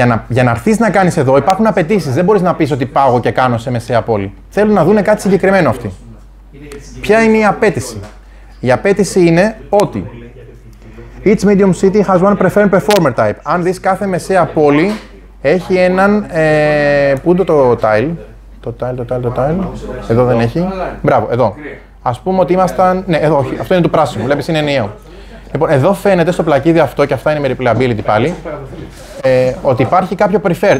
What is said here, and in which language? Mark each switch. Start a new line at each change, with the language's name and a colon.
Greek: Για να έρθεις να κάνεις εδώ, υπάρχουν απαιτήσεις. Δεν μπορείς να πεις ότι πάω και κάνω σε μεσαία πόλη. Θέλουν να δουν κάτι συγκεκριμένο αυτοί. Ποια είναι η απαίτηση? Η απαίτηση είναι ότι
English: each medium city has one preferred performer type.
Greek: Αν δεις κάθε μεσαία πόλη, έχει έναν... πού είναι το tile? Το tile. Εδώ δεν έχει. Μπράβο, εδώ. Ας πούμε ότι ήμασταν... Ναι, εδώ όχι. Αυτό είναι το πράσινο. Βλέπεις, είναι ενιαίο. Λοιπόν, εδώ φαίνεται στο πλακίδι αυτό, και αυτά είναι με replayability πάλι, ότι υπάρχει κάποιο preferred.